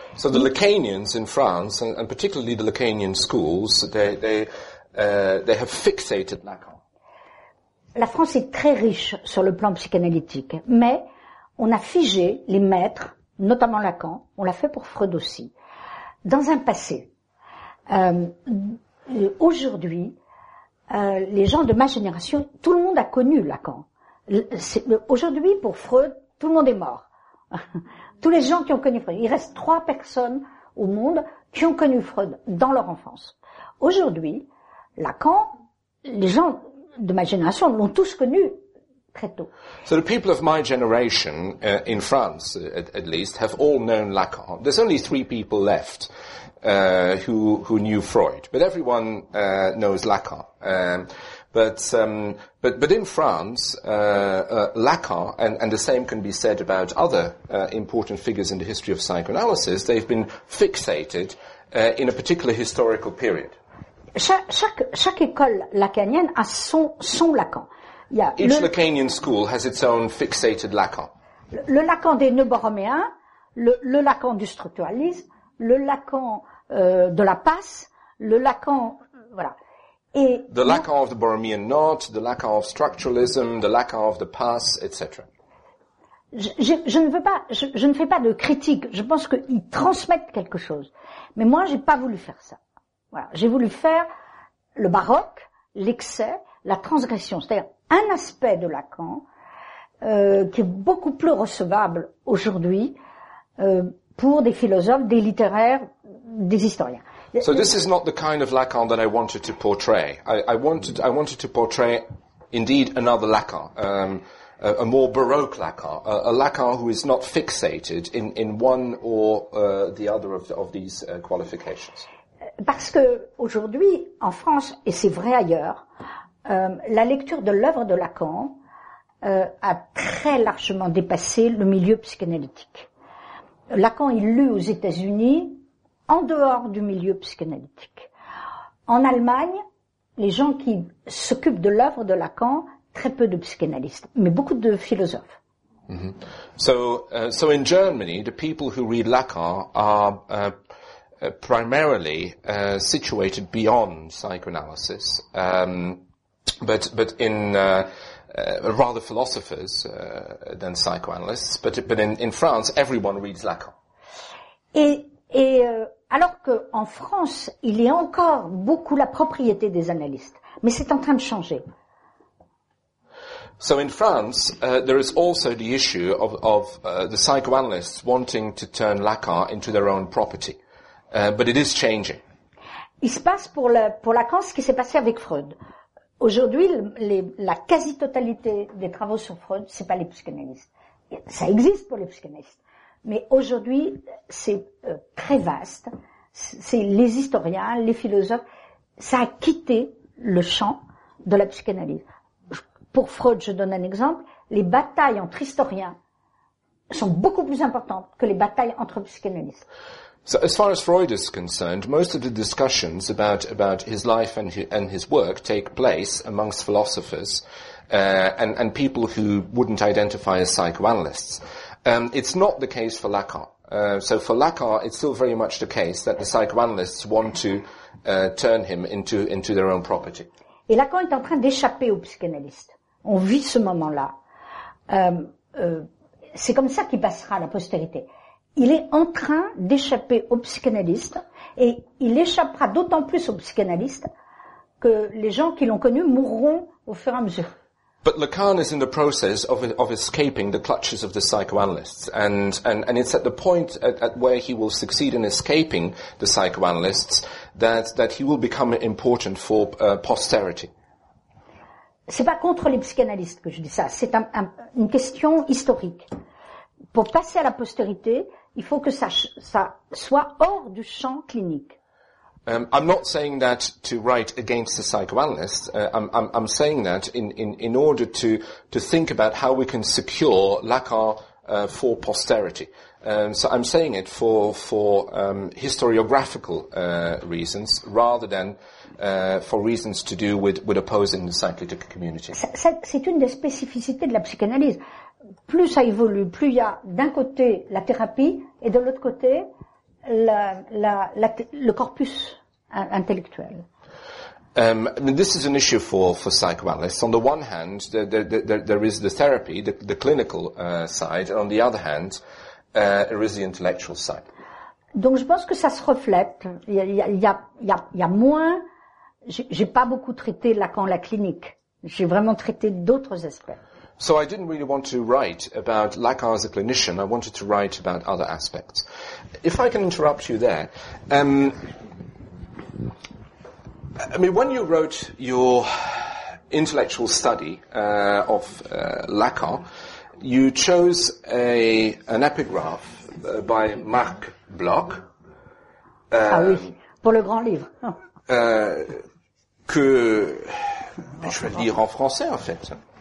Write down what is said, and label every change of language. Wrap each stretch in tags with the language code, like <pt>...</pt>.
<en>So the Lacanians in France, and particularly the Lacanian schools, they have fixated Lacan.</en> <fr>La France est très riche sur le plan psychanalytique, mais on a figé les maîtres, notamment Lacan, on l'a fait pour Freud aussi, dans un passé. Aujourd'hui, les gens de ma génération, tout le monde a connu Lacan. Aujourd'hui, pour Freud, tout le monde est mort. Tous les gens qui ont connu Freud. Il reste 3 personnes au monde qui ont connu Freud dans leur enfance. Aujourd'hui, Lacan, les gens de ma génération l'ont tous connu très tôt.</fr> <en>So the people of my generation, in France at least, have all known Lacan. There's only 3 people left who knew Freud. But everyone knows Lacan. But in France, Lacan, and the same can be said about other important figures in the history of psychoanalysis, they've been fixated in a particular historical period.</en> <fr>Chaque école lacanienne a son Lacan.</fr> <en>Each Lacanian school has its own fixated Lacan.</en> <fr>Le Lacan des Neuborroméens, le Lacan du structuralisme, le Lacan de la passe, le Lacan, voilà.</fr> <en>The Lacan of the Borromean Knot, the Lacan of structuralism, the Lacan of the pass, etc.</en> <fr>Je ne fais pas de critique. Je pense qu'ils transmettent quelque chose. Mais moi, j'ai pas voulu faire ça. Voilà. J'ai voulu faire le baroque, l'excès, la transgression. C'est-à-dire un aspect de Lacan, qui est beaucoup plus recevable aujourd'hui, pour des philosophes, des littéraires, des historiens.</fr> <en>So this is not the kind of Lacan that I wanted to portray. I wanted to portray, indeed, another Lacan, a more Baroque Lacan, a Lacan who is not fixated in one or the other of these qualifications.</en> <fr>Parce que aujourd'hui, en France, et c'est vrai ailleurs, la lecture de l'œuvre de Lacan a très largement dépassé le milieu psychanalytique. Lacan est lu aux États-Unis. En dehors du milieu psychanalytique. En Allemagne, les gens qui s'occupent de l'œuvre de Lacan, très peu de psychanalystes, mais beaucoup de philosophes. Mm-hmm.</fr> <en>So in Germany, the people who read Lacan are primarily situated beyond psychoanalysis, but in rather philosophers than psychoanalysts. But in France, everyone reads Lacan.</en> <fr>Et alors que en France, il y a encore beaucoup la propriété des analystes, mais c'est en train de changer.</fr> <en>So in France, there is also the issue of the psychoanalysts wanting to turn Lacan into their own property, but it is changing.</en> <fr>Il se passe pour Lacan ce qui s'est passé avec Freud. Aujourd'hui, la quasi-totalité des travaux sur Freud, c'est pas les psychanalystes. Ça existe pour les psychanalystes, mais aujourd'hui, c'est très vaste. C'est les historiens, les philosophes. Ça a quitté le champ de la psychanalyse. Pour Freud, je donne un exemple, les batailles entre historiens sont beaucoup plus importantes que les batailles entre psychanalystes.</fr> <en>So as far as Freud is concerned, most of the discussions about his life and his work take place amongst philosophers and people who wouldn't identify as psychoanalysts. It's not the case for Lacan. So for Lacan, it's still very much the case that the psychoanalysts want to turn him into their own property.</en> <fr>Et Lacan est en train d'échapper aux psychanalystes. On vit ce moment-là. C'est comme ça qu'il passera à la postérité. Il est en train d'échapper aux psychanalystes et il échappera d'autant plus aux psychanalystes que les gens qui l'ont connu mourront au fur et à mesure.</fr> <en>But Lacan is in the process of escaping the clutches of the psychoanalysts, and it's at the point at where he will succeed in escaping the psychoanalysts that he will become important for posterity.</en> <fr>C'est pas contre les psychanalystes que je dis ça. C'est une question historique. Pour passer à la postérité, il faut que ça soit hors du champ clinique.</fr> <en>I'm not saying that to write against the psychoanalysts. I'm saying that in order to think about how we can secure Lacan for posterity. So I'm saying it for historiographical reasons rather than for reasons to do with opposing the psychoanalytic community.</en> <fr>C'est une des spécificités de la psychanalyse. Plus ça évolue, plus il y a d'un côté la thérapie et de l'autre côté le corpus intellectuel.</fr> <en>This is an issue for psychoanalysts. On the one hand, there is the therapy, the clinical side, and on the other hand, there is the intellectual side.</en> <fr>Donc je pense que ça se reflète. Il y a moins. J'ai pas beaucoup traité Lacan la clinique. J'ai vraiment traité d'autres aspects.</fr> <en>So I didn't really want to write about Lacan as a clinician. I wanted to write about other aspects. If I can interrupt you there, I mean, when you wrote your intellectual study of Lacan, you chose an epigraph by Marc Bloch.</en> <fr>Ah oui, pour le grand livre. que je vais lire en français, en fait.</fr>